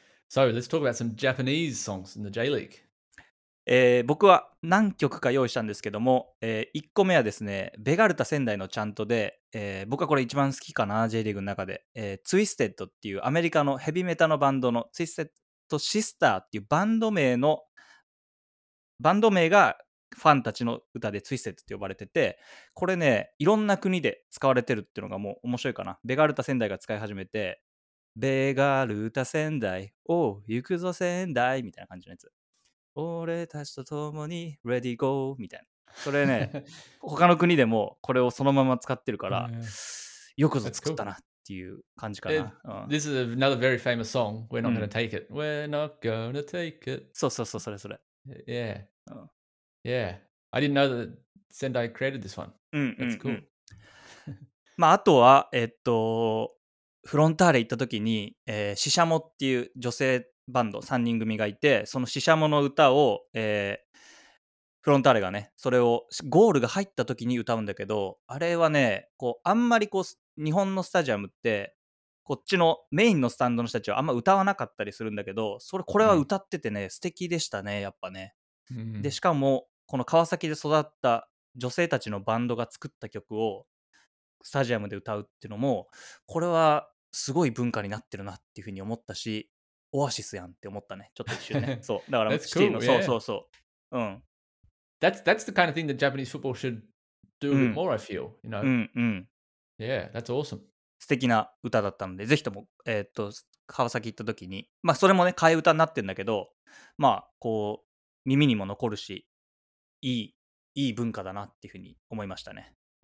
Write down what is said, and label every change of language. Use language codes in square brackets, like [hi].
[en] So let's talk about some Japanese songs in the J-League. [ja] 僕は何曲か用意したんですけども、1個目はですね、ベガルタ仙台のチャントで、僕はこれ一番好きかな、 J リーグの中で、Twisted っていうアメリカのヘビメタのバンドの Twisted Sister っていうバンド名がファンたちの歌で Twisted って呼ばれてて、これね、いろんな国で使われてるっていうのがもう面白いかな。ベガルタ仙台が使い始めて、ベガルタ仙台、おう、行くぞ仙台みたいな感じのやつ、俺たちと共に [en] Ready Go [ja] みたいな、それね他の国でもこれをそのまま使ってるから、よくぞ作ったなっていう感じかな。 [en] This is another very famous song. We're not gonna take it. We're not gonna take it. [ja] そうそうそう、それそれ。 Yeah. [en] Yeah. I didn't know that Sendai created this one. That's cool. [ja] まああとはフロンターレ行った時に、シシャモっていう女性バンド3人組がいて、そのシシャモの歌を、フロンターレがね、それをゴールが入った時に歌うんだけど、あれはね、こうあんまりこう日本のスタジアムってこっちのメインのスタンドの人たちはあんま歌わなかったりするんだけど、それこれは歌っててね、うん、素敵でしたね、やっぱね、うん、でしかもこの川崎で育った女性たちのバンドが作った曲をスタジアムで歌うっていうのも、これはすごい文化になってるなっていうふうに思ったし、オアシスやんって思ったね、ちょっと一瞬ねそうだからシティの、そうそうそう、うん、 [en] That's the kind of thing that Japanese football should do a bit more, I feel, you know. Yeah, that's awesome. [ja] 素敵な歌だったので、ぜひとも、川崎行った時に、まあ、それもね、替え歌になってるんだけど、まあ、こう、耳にも残るし、いい文化だなっていうふうに思いましたね。